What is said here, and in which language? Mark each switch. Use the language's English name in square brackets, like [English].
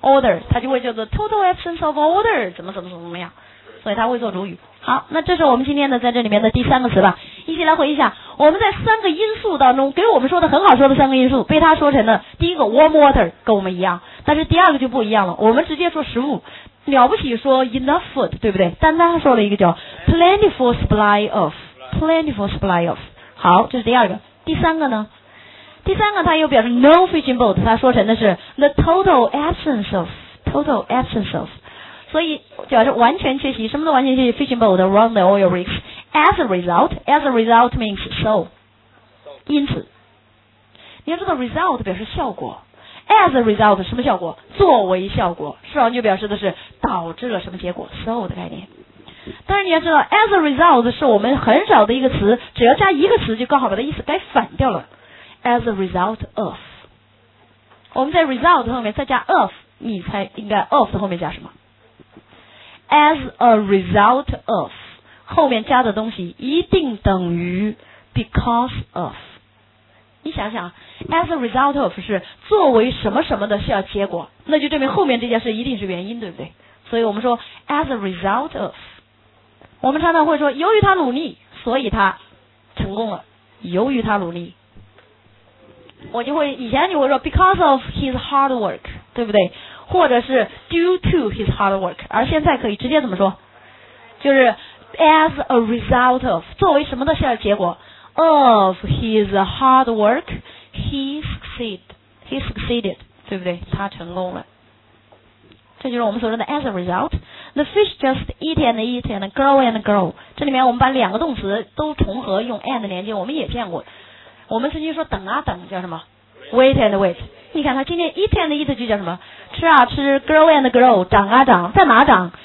[Chinese] order， 他就会叫做 [English] total absence of order， [Chinese] 怎么样，所以他会做主语。好，那这是我们今天的在这里面的第三个词吧，一起来回忆一下，我们在三个因素当中给我们说的很好说的三个因素，被他说成了第一个 [English] warm water [Chinese] 跟我们一样，但是第二个就不一样了，我们直接说食物，了不起说 [English] enough food， [Chinese] 对不对？但他说了一个叫 [English] plentiful supply of， plentiful supply of。 [Chinese] 好，这是第二个。第三个呢？第三个他又表示 [English] no fishing boat， [Chinese] 他说成的是 [English] the total absence of， [Chinese] total absence of。所以表示完全缺席，什么都完全缺席， [English] fishing boat around the oil rigs。 As a result means so， [Chinese] 因此。你要知道 result 表示效果， [English] as a result [Chinese] 什么效果？作为效果，实际上就表示的是导致了什么结果， so 的概念。但是你要知道 [English] as a result [Chinese] 是我们很少的一个词，只要加一个词就刚好把它意思该反掉了， [English] as a result of， [Chinese] 我们在 result 后面再加 of， 你猜应该 of 后面加什么？ [English] As a result of， [Chinese] 后面加的东西一定等于 [English] because of。 [Chinese] 你想想 [English] as a result of [Chinese] 是作为什么什么的效结果，那就证明后面这件事一定是原因，对不对？所以我们说 [English] as a result of， [Chinese] 我们常常会说由于他努力所以他成功了，由于他努力，我就会以前你会说 [English] because of his hard work， [Chinese] 对不对？或者是 [English] due to his hard work， [Chinese] 而现在可以直接怎么说？就是 [English] as a result of， [Chinese] 作为什么的效结果 [English] of his hard work he succeeded， [Chinese] 对不对？他成功了，这就是我们所说的 [English] as a result。 The fish just eat and eat and grow [Chinese] and grow， 这里面我们把两个动词都重合用 and 连接，我们也见过，我们曾经说等啊等叫什么？ [English] wait and wait。 [Chinese] 你看他今天 [English] eat and eat [Chinese] 就叫什么？吃啊吃， [English] grow and grow， [Chinese] 长啊长，在哪长？